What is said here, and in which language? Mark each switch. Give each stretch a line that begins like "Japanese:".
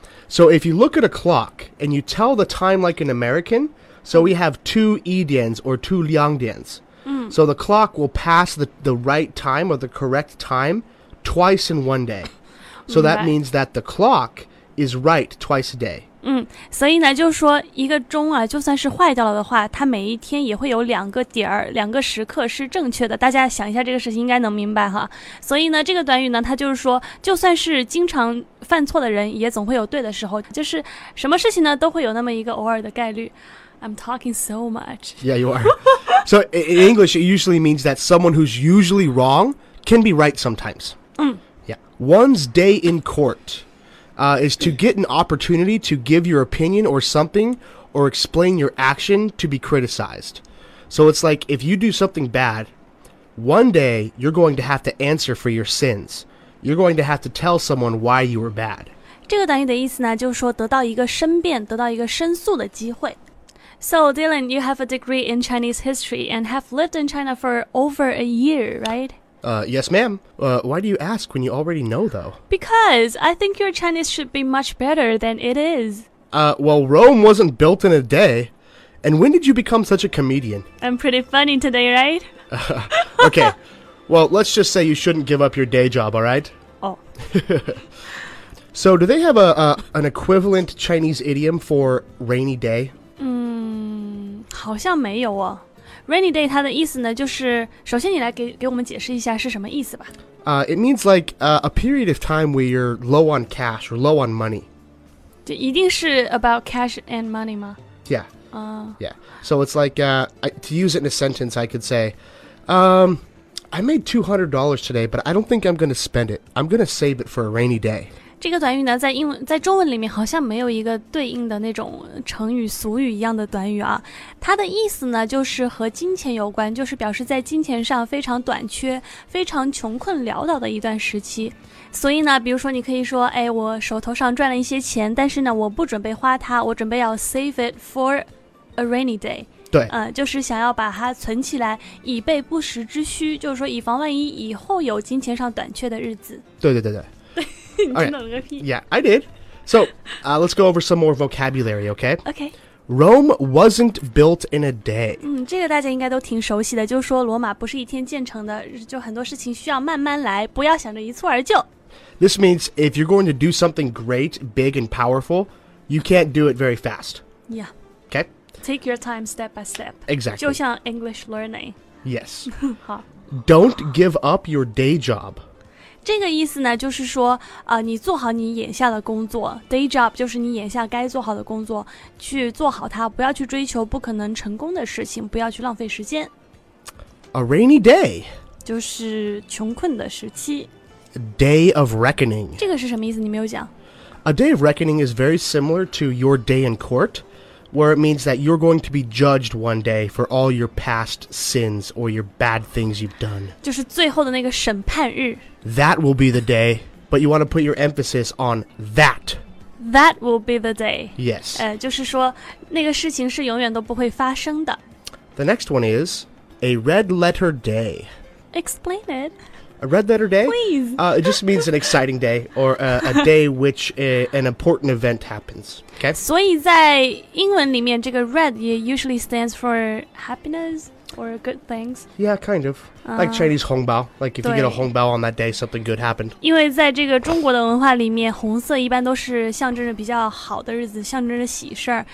English: So if you look at a clock and you tell the time like an American, so we have two idians or two liangdians. So the clock will pass the right time or the correct time twice in one day. So that means that the clock is right twice a day.
Chinese: 所以呢就是说一个钟啊就算是坏掉了的话它每一天也会有两个点儿两个时刻是正确的大家想一下这个事情应该能明白哈所以呢这个短语呢它就是说就算是经常犯错的人也总会有对的时候就是什么事情呢都会有那么一个偶尔的概率
English: I'm talking so much Yeah you are So in English it usually means that someone who's usually wrong can be right sometimes Yeah One's day in courtis to get an opportunity to give your opinion or something or explain your action to be criticized. So it's like if you do something bad, one day you're going to have to answer for your sins. You're going to have to tell someone why you were bad.
Chinese: 这个短语的意思呢就是说得到一个申辩得到一个申诉的机会。
English: So, Dylan, you have a degree in Chinese history and have lived in China for over a year, right? Yes, ma'am. Why do you ask when you already know, though? Because I think your Chinese should be much better than it is. Well, Rome wasn't built in a day. And when did you become such a comedian? I'm pretty funny today, right? Okay. Well, let's just say you shouldn't give up your day job, all right? Oh. So, do they have an equivalent Chinese idiom for rainy day?
Chinese: 好像没有哦。Rainy day 它的意思呢就是首先你来 给我们解释一下是什么意思吧。
English: It means like a period of time where you're low on cash or low on money.
Chinese: 这一定是
English: about cash and money
Chinese: 吗
English: Yeah. Yeah. So it's like, to use it in a sentence, I could say, I made $200 today, but I don't think I'm going to spend it. I'm going to save it for a rainy day.
Chinese: 这个短语呢在英文在中文里面好像没有一个对应的那种成语俗语一样的短语啊。它的意思呢就是和金钱有关，就是表示在金钱上非常短缺，非常穷困潦倒的一段时期。所以呢比如说你可以说哎，我手头上赚了一些钱，但是呢我不准备花它，我准备要
English: save it for a rainy day。
Chinese: 对，就是想要把它存起来，以备不时之需，就是说以防万一以后有金钱上短缺的日子。对对对对。你听懂了个屁。
English: Yeah, I did. So, let's go over some more vocabulary, okay? Okay. Rome wasn't built in a day.
Chinese: 这个大家应该都挺熟悉的，就是说罗马不是一天建成的，就很多事情需要慢慢来，不要想着一蹴而就。
English: This means if you're going to do something great, big, and powerful, you can't do it very fast. Yeah. Okay? Take your time step by step. Exactly.
Chinese: 就像
English: English learning. Yes.
Chinese: 好。
English: Don't give up your day job.
Chinese: 这个意思呢就是说、你做好你眼下的工作。 Day job 就是你眼下该做好的工作。去做好它，不要去追求不可能成功的事情，不要去浪费时间。
English: A rainy day.
Chinese: 就是穷困的时期。
English: Day of reckoning.
Chinese: 这个是什么意思？你没有讲。
English: A day of reckoning is very similar to your day in court. Where it means that you're going to be judged one day for all your past sins or your bad things you've done.
Chinese: 就是最后的那个审判日。
English: That will be the day, but you want to put your emphasis on that. That will be the day. Yes.
Chinese: 就是说那个事情是永远都不会发生的。
English: The next one is a red letter day. Explain it. A red letter day? Please. It just means an exciting day or a day which an important event happens. Okay?
Chinese: 所以在英文里面这个 red 也
English: usually stands for happiness or good things. Yeah, kind of. Like Chinese 红包. Like if you get a 红包 on that day, something good happened.
Chinese: 因为在这个中国的文化里面红色一般都是象征着比较好的日子象征着喜事儿。